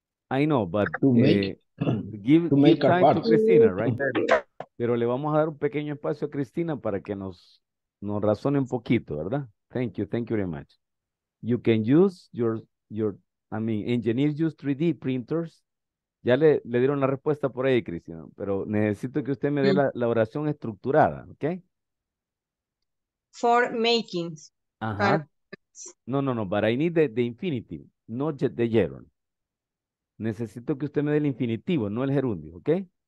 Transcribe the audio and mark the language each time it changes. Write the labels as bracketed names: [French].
[English] I know, but give time to Cristina, right? [Spanish] Pero le vamos a dar un pequeño espacio a Cristina para que nos razone un poquito, ¿verdad? [English] Thank you very much. You can use engineers use 3D printers. [Spanish] Ya le dieron la respuesta por ahí, Cristina, pero necesito que usted me dé la oración estructurada, ¿ok? [English] For makings. [Spanish] Ajá. [English] No, but I need the infinitive, not just the gerund. [Spanish] Necesito que usted me dé el infinitivo, no el gerundio, ¿ok?